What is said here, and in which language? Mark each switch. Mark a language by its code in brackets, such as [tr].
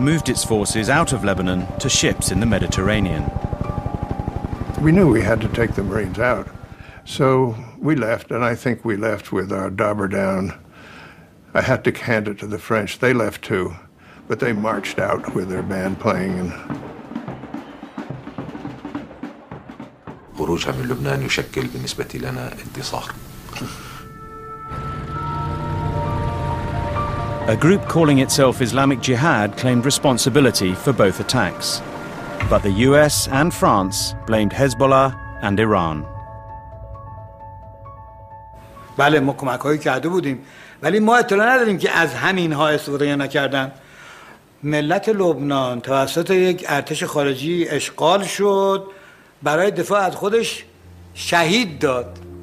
[en] moved its forces out of Lebanon to ships in the Mediterranean. We knew we had to take the Marines out. So we left, and I think we left with our dobber down. I had to hand it to the French. They left too. But they marched out with their band playing. [ar] خروجها من لبنان يشكل بالنسبة لنا انتصار. [en] A group calling itself Islamic Jihad claimed responsibility for both attacks. But the US and France blamed Hezbollah and Iran. [fa] بله ما کمک‌هایی کرده بودیم ولی ما اطلاع نداریم که از همین‌ها استفاده نکردن. ملت لبنان توسط یک ارتش خارجی اشغال شد برای دفاع از خودش شهید داد.